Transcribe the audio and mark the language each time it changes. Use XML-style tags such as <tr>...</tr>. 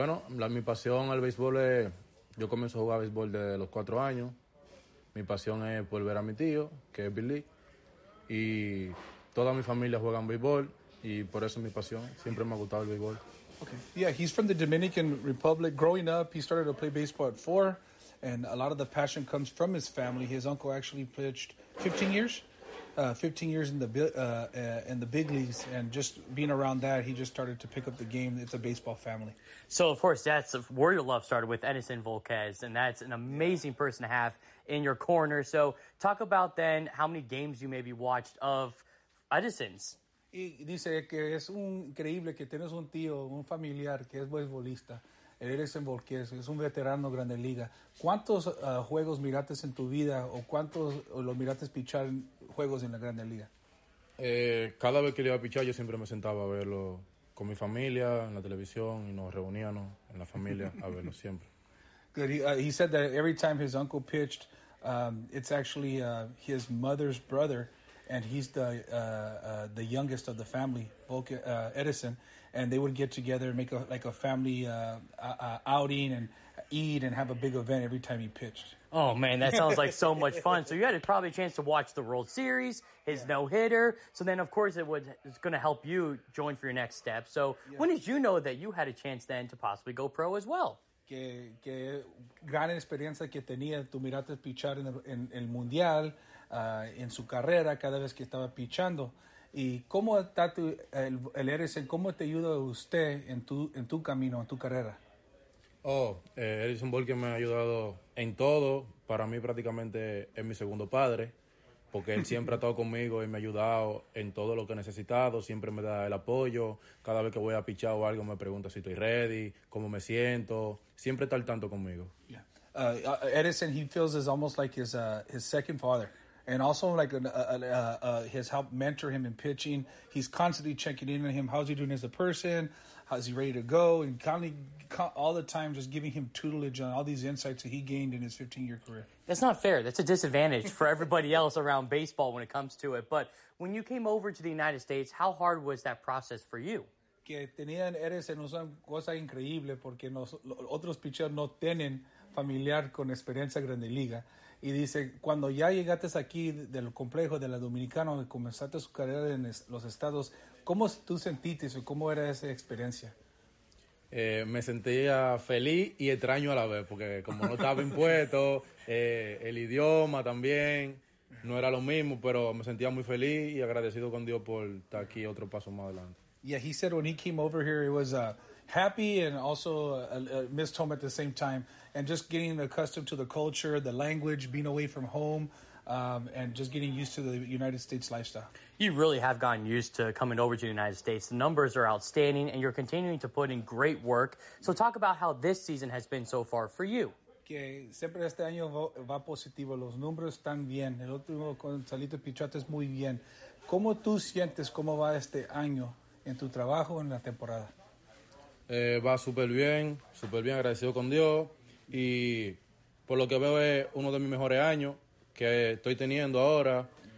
<es>Mi pasión al béisbol es, yo comienzo a jugar béisbol desde los 4 años. Mi pasión es volver a mi tío, que es Billy. Y toda mi familia juega en béisbol, y por eso es mi pasión, siempre me ha gustado el béisbol.</es> <en>Okay. Yeah, he's from the Dominican Republic. Growing up, he started to play baseball at 4, and a lot of the passion comes from his family. His uncle actually pitched 15 years in the big leagues, and just being around that, he just started to pick up the game. It's a baseball family. So, of course, that's where your love started, with Edison Volquez, and that's an amazing person to have in your corner. So talk about then how many games you maybe watched of Edison's.</en> <es>Y dice que es un increíble que tienes un tío, un familiar que es beisbolista. Edison Volquez es un veterano grande liga. ¿Cuántos juegos miraste en tu vida o cuántos lo miraste pichar en juegos en la grande liga? Cada vez que le iba a pichar, yo siempre me sentaba a verlo con mi familia en la televisión y nos reuníamos en la familia a verlo siempre.</es> <en>He said that every time his uncle pitched, it's actually his mother's brother. And he's the youngest of the family, Edison. And they would get together and make a family outing and eat and have a big event every time he pitched. Oh, man, that sounds like so much fun. So you had probably a chance to watch the World Series, his no-hitter. So then, of course, it's going to help you join for your next step. So when did you know that you had a chance then to possibly go pro as well?</en> <es>Que gran experiencia que tenía, tú miraste pichar en el Mundial, en su carrera, cada vez que estaba pichando. ¿Y cómo está el Edison, cómo te ayuda usted en tu camino, en tu carrera? Edison Volquez me ha ayudado en todo. Para mí prácticamente es mi segundo padre, porque él siempre ha estado conmigo y me ha ayudado en todo lo que he necesitado. Siempre me da el apoyo. Cada vez que voy a pichar o algo, me pregunta si estoy ready, cómo me siento. Siempre está al tanto conmigo.</es> <en>Yeah. Edison, he feels is almost like his second father. And also like has helped mentor him in pitching. He's constantly checking in on him. How's he doing as a person? How's he ready to go? And constantly, all the time, just giving him tutelage on all these insights that he gained in his 15-year career. That's not fair. That's a disadvantage for everybody else around baseball when it comes to it. But when you came over to the United States, how hard was that process for you?</en> <es>Que tenían eres en una cosa increíble porque otros pitchers no tienen familiar con experiencia grande liga. Y dice, cuando ya llegaste aquí del complejo de la Dominicana y comenzaste su carrera en los estados, ¿cómo tú sentiste eso? ¿Cómo era esa experiencia? Me sentía feliz y extraño a la vez, porque como no estaba impuesto, el idioma también no era lo mismo, pero me sentía muy feliz y agradecido con Dios por estar aquí otro paso más adelante.</es> <en>Yeah, he said when he came over here, he was happy and also missed home at the same time. And just getting accustomed to the culture, the language, being away from home, and just getting used to the United States lifestyle. You really have gotten used to coming over to the United States. The numbers are outstanding, and you're continuing to put in great work. So talk about how this season has been so far for you.</en> <es>Que siempre este año va positivo, los números están bien. El último con Salito Pichot es muy bien. ¿Cómo tú sientes cómo va este año en tu trabajo, en la temporada? Va súper bien, agradecido con Dios. Y por lo que veo es uno de mis mejores años que estoy teniendo ahora.</es>